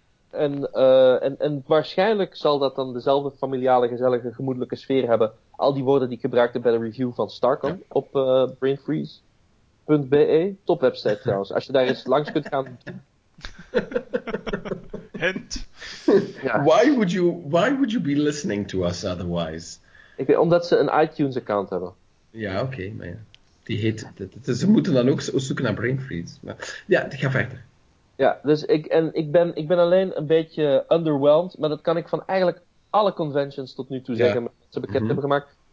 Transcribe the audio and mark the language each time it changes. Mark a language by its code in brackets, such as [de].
[nl] En waarschijnlijk zal dat dan dezelfde familiale, gezellige, gemoedelijke sfeer hebben. Al die woorden die ik gebruikte bij de review van Starcom op brainfreeze.be. Top website trouwens. Als je daar eens langs kunt gaan. Hint. Ja. [en] Why would you be listening to us otherwise? [nl] Ik weet, omdat ze een iTunes account hebben. Ja, oké. Okay, die heet. Ze moeten dan ook zoeken naar Brainfreeze. Maar, ja, ga verder. Ja, dus ik ben alleen een beetje underwhelmed, maar dat kan ik van eigenlijk alle conventions tot nu toe zeggen, wat ze bekend hebben gemaakt.